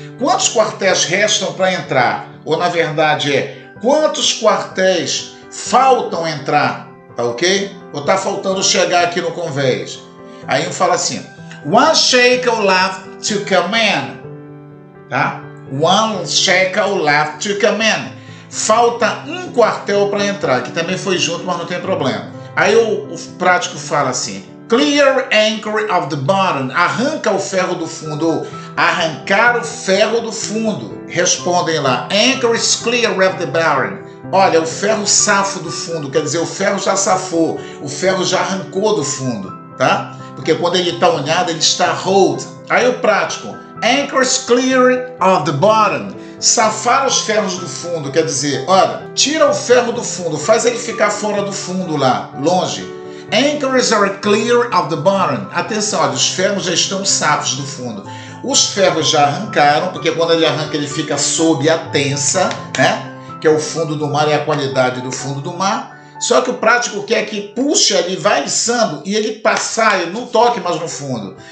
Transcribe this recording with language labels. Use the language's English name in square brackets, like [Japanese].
[Portuguese] Quantos quartéis restam para entrar? Ou na verdade é, quantos quartéis faltam entrar, tá ok? Ou tá faltando chegar aqui no convés? Aí um fala assim, [English] one shackle left to come in, [Portuguese] tá? [English] One shackle left to come in. [Portuguese] Falta um quartel para entrar, que também foi junto, mas não tem problema. Aí o prático fala assim, [English] clear anchor of the bottom, [Portuguese] arranca o ferro do fundo, ou arrancar o ferro do fundo. Respondem lá, [English] anchor is clear of the bottom, [Portuguese] olha, o ferro safa do fundo, quer dizer, o ferro já safou, o ferro já arrancou do fundo, tá? Porque quando ele está unhado, ele está hold. Aí o prático, [English] anchors clear of the bottom. [Portuguese] Safar os ferros do fundo, quer dizer, olha, tira o ferro do fundo, faz ele ficar fora do fundo lá, longe. [English] Anchors are clear of the bottom. [Portuguese] Atenção, olha, os ferros já estão safos do fundo. Os ferros já arrancaram, porque quando ele arranca, ele fica sob a tensa, né? Que é o fundo do mar, é a qualidade do fundo do mar. Só que o prático quer que puxe ali, vai içando, e ele passar, ele não toque mais no fundo.